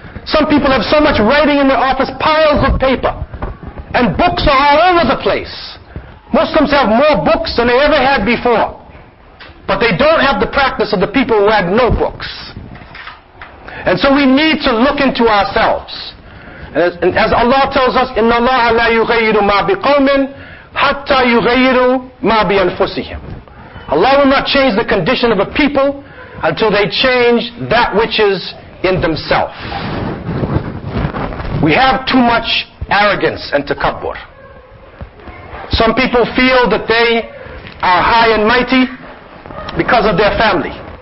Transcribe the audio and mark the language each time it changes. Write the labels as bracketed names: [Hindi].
[English] Some people have so much writing in their office, piles of paper. And books are all over the place. Muslims have more books than they ever had before. But they don't have the practice of the people who had no books. And so we need to look into ourselves. And as Allah tells us, [Arabic] إِنَّ اللَّهَ لَا يُغَيِّرُ مَا بِقَوْمٍ حَتَّى يُغَيِّرُ مَا بِأَنفُسِهِمْ. [English] Allah will not change the condition of a people until they change that which is in themselves. We have too much arrogance and takabbur. Some people feel that they are high and mighty because of their family.